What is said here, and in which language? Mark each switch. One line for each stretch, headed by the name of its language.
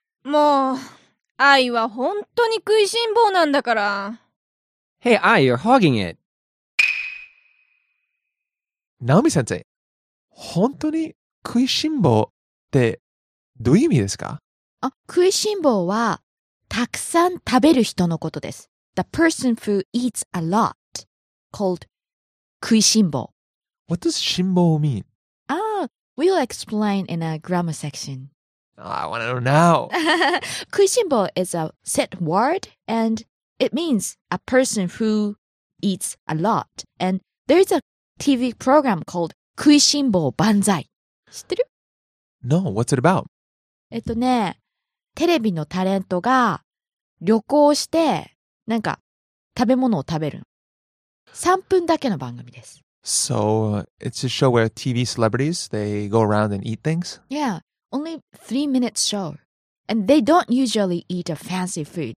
Japanese: もう、愛は本当に食いしん坊なんだから。
English: Hey, I, you're hogging it.
Japanese: ナオミ先生、本当に食いしん坊ってどういう意味ですか？あ、食いしん坊はたくさん食べる人のことです。
English: The person who eats a lot, called 食いしん坊。 What does 辛抱 mean? We'll explain in a grammar section. I want to know now. 食いしん坊 is a set word and It means a person who eats a lot. And there is a TV program called 食いしん坊万歳。
Japanese: 知ってる?
English: No, what's it about?
Japanese: テレビのタレントが旅行して、なんか食べ物を食べる。 3分だけの番組です。
English: So, it's a show where TV celebrities, they go around and eat things? Yeah, only 3 minutes show. And they don't usually eat a fancy food.